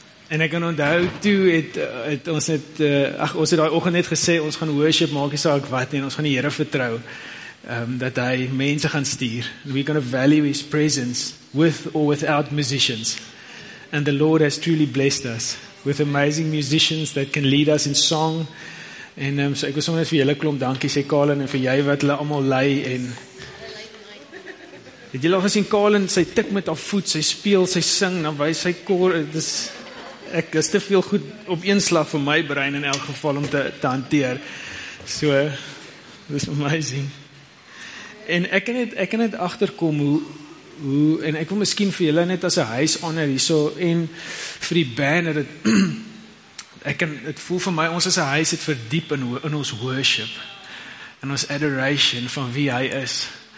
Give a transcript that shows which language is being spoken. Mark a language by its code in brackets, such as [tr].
[af] En ek kan onthou toe het ons daai oggend net gesê ons gaan worship maak, nie saak wat nie, en ons gaan die Here vertrou dat hy mense gaan stuur. [en] We're going to value his presence with or without musicians. And the Lord has truly blessed us with amazing musicians that can lead us in song. [af] En so ek wil sommer net vir julle klomp dankie sê, Kalen, en vir jy wat hulle almal lei. En het julle al gesien Kalen, sy tik met haar voet, sy speel, sy sing, dan wys sy koor. Dit is te veel goed op een slag vir my brein in elk geval om te hanteer. So, dit is amazing. En ek kan net agterkom hoe en ek wil miskien vir julle net as 'n huis onder hierso en vir die band dat het voel vir my ons as 'n huis het verdiep in ons worship en ons adoration van wie hy is.